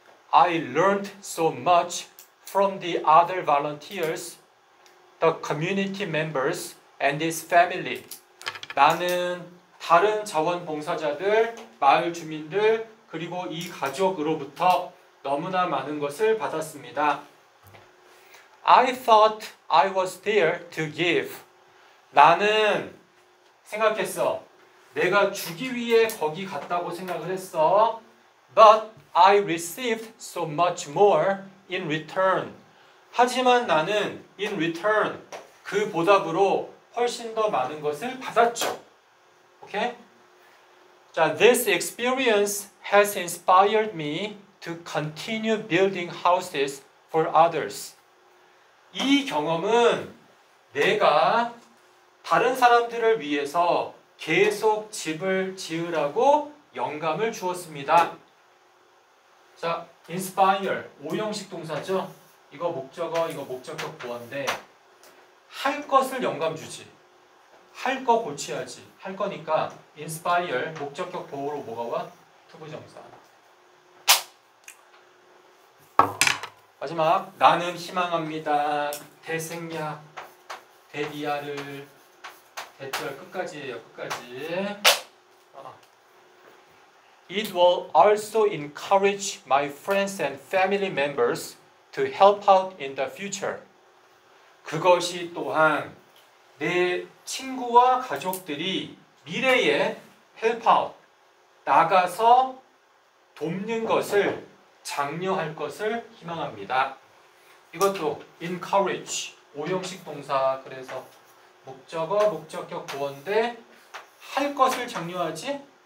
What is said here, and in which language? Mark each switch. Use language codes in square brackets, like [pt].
[en] I learned so much from the other volunteers, the community members, and his family. [ko] 나는 다른 자원봉사자들, 마을 주민들, 그리고 이 가족으로부터 너무나 많은 것을 받았습니다. [en] I thought I was there to give. [ko] 나는 생각했어. 내가 주기 위해 거기 갔다고 생각을 했어. [en] But I received so much more in return. [ko] 하지만 나는 in return, 그 보답으로 훨씬 더 많은 것을 받았죠. 오케이? [en] 자, this experience has inspired me to continue building houses for others. [ko] 이 경험은 내가 다른 사람들을 위해서 계속 집을 지으라고 영감을 주었습니다. 자, inspire, 오형식 동사죠? 이거 목적어, 이거 목적격 보어인데 할 것을 영감 주지. 할 거 고치야지. 할 거니까 inspire, 목적격 보어로 뭐가 와? 투부정사. 마지막, 나는 희망합니다. 대생략, 대디아를 대절 끝까지예요, 끝까지. [en] It will also encourage my friends and family members to help out in the future. [ko] 그것이 또한 내 친구와 가족들이 미래에 help out, 나가서 돕는 것을, 장려할 것을 희망합니다. 이것도 encourage, 오형식 동사, 그래서 목적어, 목적격 보어인데 할 것을 장려하지?